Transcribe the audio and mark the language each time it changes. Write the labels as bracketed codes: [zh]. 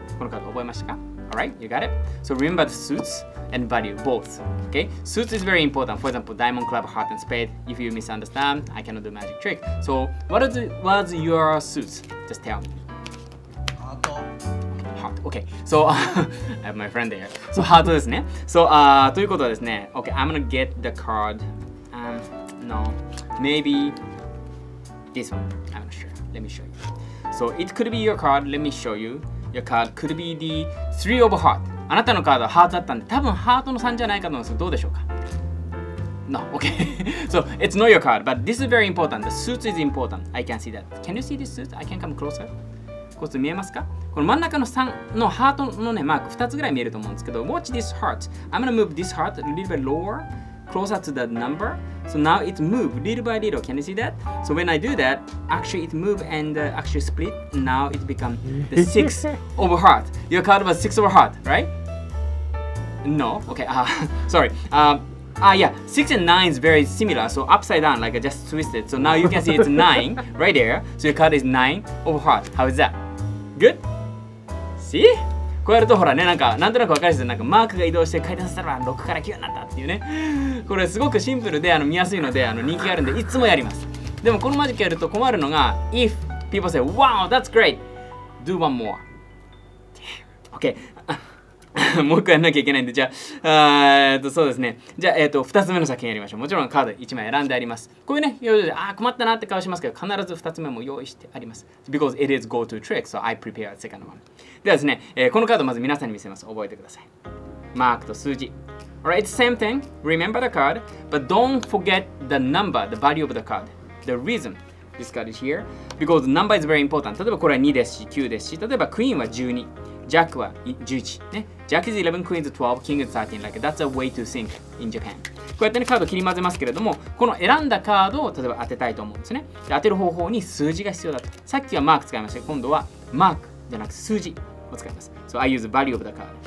[ja] このカード覚えましたか [en] ?Alright, you got it?So remember the suits and value, both.Okay?Suits is very important. For example, Diamond, Club, Heart, and Spade.If you misunderstand, I cannot do magic trick.So what's your suits?Just tell me.Heart.Okay.So I have my friend there.So heart ですね。 [ja] So, ということはですね。 [en] Okay, I'm gonna get the card.Maybe this one.I'm not sure. Let me show you. So it could be your card. Let me show you. Your card could be the three of heart. [ja] あなたのカードはハートだったんで、多分ハートの3じゃないかと思うんですけど、どうでしょうか ? [en] No, okay. So it's not your card, but this is very important. The suit is important. I can see that. Can you see this suit? I can come closer. [ja] こっち見えますか? この真ん中の3のハートの、ね、マーク2つぐらい見えると思うんですけど、 [en] Watch this heart. I'm gonna move this heart a little bit lower. Closer to that number. So now it moved little by little. Can you see that? So when I do that, actually it moved and、actually split. Now it become the six over heart. Your card was six over heart, right? No. Okay. Sorry. Yeah. Six and nine is very similar. So upside down, like I just twisted. So now you can see it's nine right there. So your card is nine over heart. How is that? Good? See? [ja] こうやるとほらね、なんとなくわかるんですよ。なんかマークが移動して回転させたら6から9になったっていうね。これすごくシンプルで見やすいので人気があるんでいつもやります。でもこのマジックやると困るのが、 [en] If people say, Wow, that's great! Do one more. Okay. [ja] もう一個やんなきゃいけないんで、じゃあ、そうですね。じゃあ、2つ目の作品やりましょう。もちろんカード1枚選んであります。こういうね、要領で、ああ、困ったなって顔しますけど、必ず2つ目も用意してあります。 [en] Because it is go-to trick, so I prepare a second one. [ja] ではですね、このカードまず皆さんに見せます。覚えてください。マークと数字。 [en] Alright, it's the same thing. Remember the card, but don't forget the number, the value of the card. The reason this card is here. Because number is very important. [ja] 例えばこれは2ですし、9ですし、例えばクイーンは12。 Jack は11、ね、 [en] Jack is 11, Queen is 12, King is 13 like, That's a way to think in Japan [ja] こうやって、ね、カードを切り混ぜますけれどもこの選んだカードを例えば当てたいと思うんですねで当てる方法に数字が必要だとさっきはマーク使いました今度はマークじゃなく数字を使います [en] So I use the value of the card